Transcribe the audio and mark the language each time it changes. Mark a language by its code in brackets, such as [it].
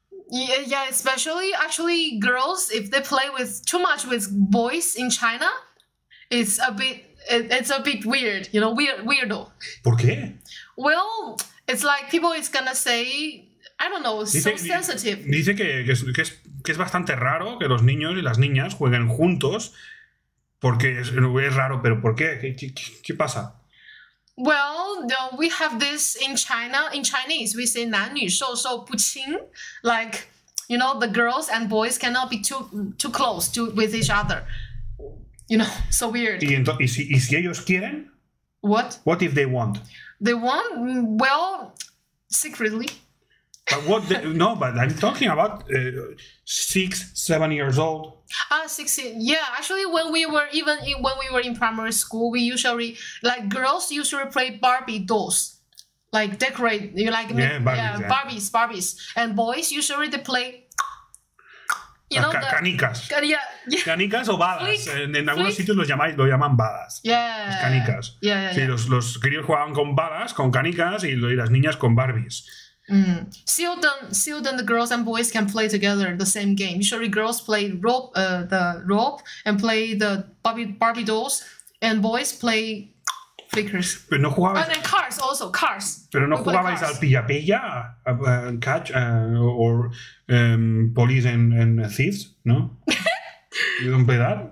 [en] Yeah, especially, actually, girls, if they play with too much with boys in China, it's a bit weird, you know, weirdo. [es] ¿Por qué? [en] Well... It's like people is gonna say, I don't know, [es] dice, [en] so sensitive. [es] Dice que es bastante raro que los niños y las niñas jueguen juntos, porque es raro, pero ¿por qué? ¿Qué pasa? [en] Well, no, we have this in China, in Chinese, we say [zh] 男女授受 不亲, [en] like, you know, the girls and boys cannot be too close to with each other. You know, so weird. [es] ¿Y si ellos quieren? [en] What? What if they want? They want, well, secretly. But what? But I'm talking about 6-7 years old. Ah, 16. Yeah, actually, when we were in primary school, we usually like girls usually play Barbie dolls, like decorate. You like yeah, Barbies, yeah, yeah. Barbies, and boys usually they play. You know, canicas. Yeah. [es] Canicas o balas. En algunos sitios lo llaman balas. [en] Yeah. [es] Las canicas. [en] Yeah. [es] Sí, los críos jugaban con balas, con canicas, y las niñas con Barbies. [en] Seldom the girls and boys can play together the same game. Usually girls play the rope and play the Barbie dolls, and boys play flickers. [es] Pero no jugabais. [en] And then cars also, cars. [es] Pero no jugabais al pilla-pilla, [en] catch, or police and thieves, no? You don't play that?